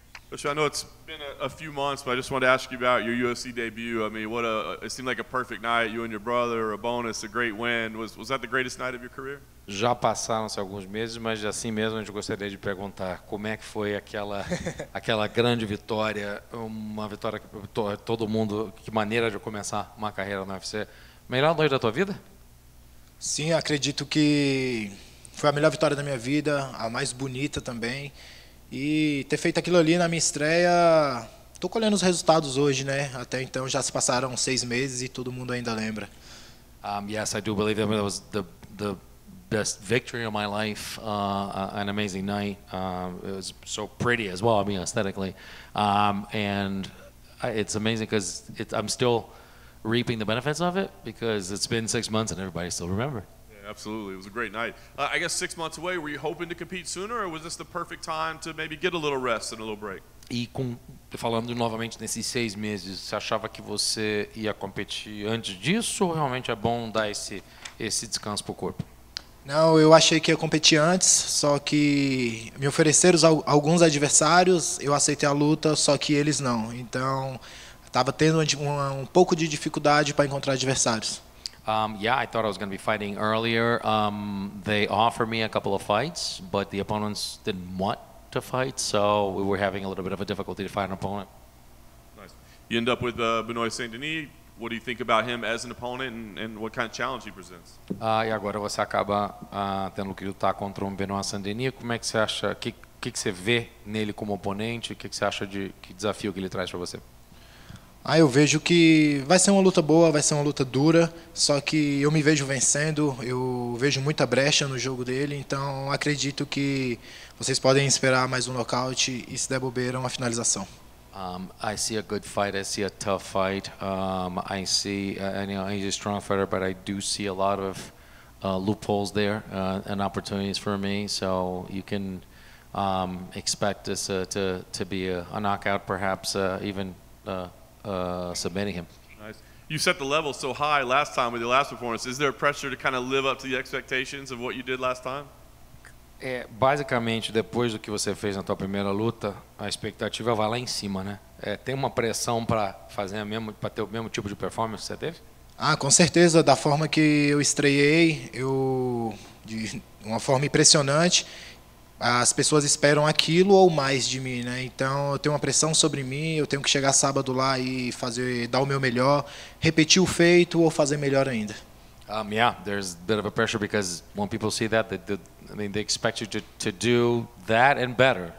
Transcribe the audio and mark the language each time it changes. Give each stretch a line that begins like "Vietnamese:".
English: Coach, I know it's been a few months, but I just wanted to ask you about your USC debut. I mean, it seemed like a perfect night. You and your brother, a bonus, a great win. Was that the greatest night of your career?
Portuguese: Já passaram-se alguns meses, mas assim mesmo a gente gostaria de perguntar como é que foi aquela grande vitória, uma vitória que todo mundo, que maneira de começar uma carreira na UFC. Melhor noite da tua vida? Sim, acredito que foi a melhor vitória da minha vida, a mais bonita também. E ter feito aquilo ali na minha estreia, tô colhendo os resultados hoje, né? Até então já se passaram 6 meses e todo mundo ainda lembra.
English: Yes, I do believe that was the best victory of my life, an amazing night. It was so pretty as well, I mean, aesthetically. And it's amazing because I'm still reaping the benefits of it because it's been 6 months and everybody still remember. Yeah, absolutely. It was a great night. I guess 6 months away, were you hoping to compete sooner or was this the perfect time to maybe get a little rest and a little break?
Portuguese: E falando novamente nesses 6 meses, você achava que você ia competir antes disso ou realmente é bom dar esse descanso pro corpo? Não, eu achei que ia competir antes, só que me ofereceram alguns adversários, eu aceitei a luta, só que eles não. Então, estava tendo um pouco de dificuldade para encontrar adversários.
English: Yeah, I thought I was going to be fighting earlier. They offered me a couple of fights, but the opponents didn't want to fight, so we were having a little bit of a difficulty to find an opponent. Nice. You end up with Benoit Saint-Denis. What do you think about him as an opponent and what kind of challenge he presents?
Portuguese: E agora você acaba tendo que lutar contra um Benoit Saint-Denis. Como é que você acha, que você vê nele como oponente? Que você acha de que desafio que ele traz para você? Ah, eu vejo que vai ser uma luta boa, vai ser uma luta dura, só que eu me vejo vencendo, eu vejo muita brecha no jogo dele, então acredito que vocês podem esperar mais um nocaute e se der bobeira uma finalização.
English: I see a good fight. I see a tough fight. I see, you know, he's a strong fighter, but I do see a lot of loopholes there and opportunities for me. So you can expect this to be a knockout, perhaps submitting him. Nice. You set the level so high last time with your last performance. Is there pressure to kind of live up to the expectations of what you did last time?
Portuguese: É, basicamente, depois do que você fez na tua primeira luta, a expectativa vai lá em cima, né? É, tem uma pressão para fazer para ter o mesmo tipo de performance que você teve? Ah, com certeza. Da forma que eu estreiei, de uma forma impressionante, as pessoas esperam aquilo ou mais de mim, né? Então, eu tenho uma pressão sobre mim, eu tenho que chegar sábado lá e dar o meu melhor, repetir o feito ou fazer melhor ainda.
English: Yeah, there's a bit of a pressure because when people see that, they expect you to do that and better.